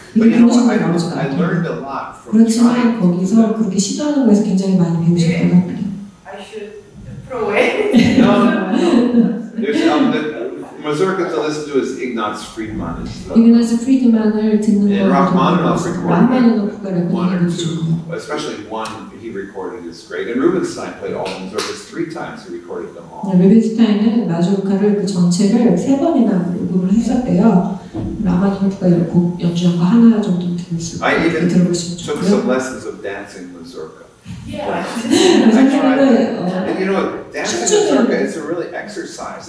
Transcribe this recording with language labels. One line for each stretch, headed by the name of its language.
English: But you know what, I learned a lot from trying.
Korean: 그렇지만 거기서 그렇게 시도하는 거에서 굉장히 많이 배우신 것 같아요.
English: I should throw away. No. The mazurka to listen to is Ignaz Friedman.
Korean: Ignaz Friedman을 듣는 거.
English: And Rachmaninoff recorded one or two. Especially one he recorded is great. And Rubinstein played all the mazurkas three times. He recorded them all.
Korean: 루벤슈타인은 마주르카를 그 전체를 세 번이나 녹음을 했었대요. 라마니노프가 곡 연주한 거 하나 정도 들으시고
English: took some lessons of dancing mazurka. Yeah. And you know, dancing mazurka is a really exercise.